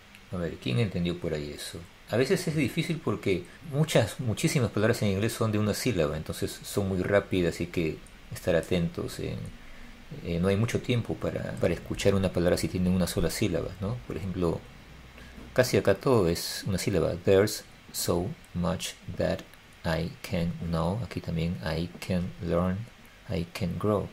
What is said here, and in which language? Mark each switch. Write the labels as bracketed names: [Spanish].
[Spanish] A ver, ¿quién entendió por ahí eso? A veces es difícil porque muchísimas palabras en inglés son de una sílaba, entonces son muy rápidas y hay que estar atentos en. No hay mucho tiempo para escuchar una palabra si tiene una sola sílaba, ¿no? Por ejemplo, casi acá todo es una sílaba. [English] There's so much that I can know. [Spanish] Aquí también [English] I can learn, I can grow.